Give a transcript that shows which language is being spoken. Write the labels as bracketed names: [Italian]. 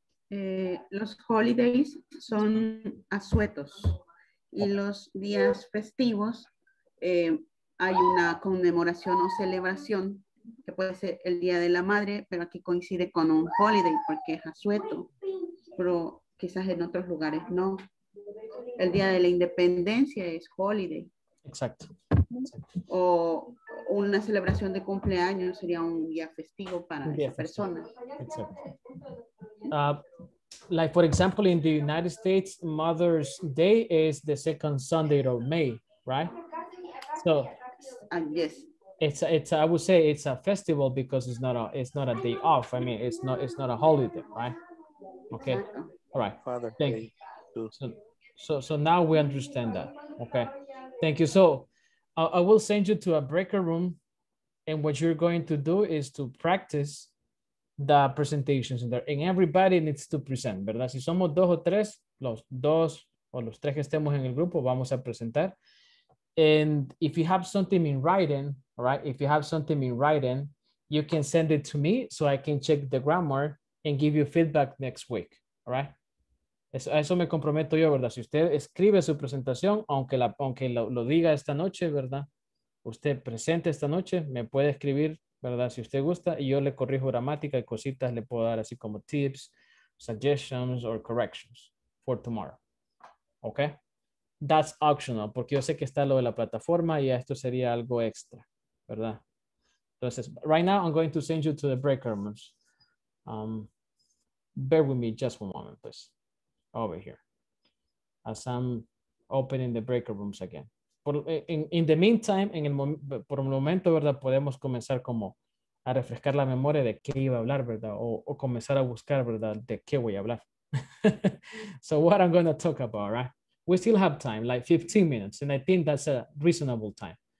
[Spanish] Los holidays son asuetos y los días festivos hay una conmemoración o celebración que puede ser el Día de la Madre, pero aquí coincide con un holiday porque es asueto, pero quizás en otros lugares no. El Día de la Independencia es holiday. Exacto. O una celebración de cumpleaños sería un día festivo para esa festivo. Persona. Exacto. [English] Like, for example, in the United States, Mother's Day is the second Sunday of May, right? So, I would say it's a festival because it's not a day off. I mean, it's not a holiday, right? Okay. All right. Father, thank you. So now we understand that. Okay. Thank you. So I will send you to a breakout room. And what you're going to do is to practice the presentations in there, and everybody needs to present, [Spanish] ¿verdad? Si somos dos o tres, los dos o los tres que estemos en el grupo, vamos a presentar. [English] And if you have something in writing, right? If you have something in writing, you can send it to me so I can check the grammar and give you feedback next week, all right? [Spanish] Eso me comprometo yo, ¿verdad? Si usted escribe su presentación, aunque lo diga esta noche, ¿verdad? Usted presente esta noche, me puede escribir, ¿verdad? Si usted gusta, y yo le corrijo gramática y cositas, le puedo dar así como tips, [English] suggestions, or corrections for tomorrow. [Spanish] ¿Ok? [English] That's optional, [Spanish] porque yo sé que está lo de la plataforma y esto sería algo extra, ¿verdad? Entonces, [English] right now I'm going to send you to the break rooms. Bear with me just one moment, please. Over here. As I'm opening the break rooms again. In the meantime, [Spanish] por un momento, ¿verdad? Podemos comenzar como a refrescar la memoria de qué iba a hablar, ¿verdad? O comenzar a buscar, ¿verdad? De qué voy a hablar. [English] So what I'm going to talk about, right? We still have time, like 15 minutes, and I think that's a reasonable time.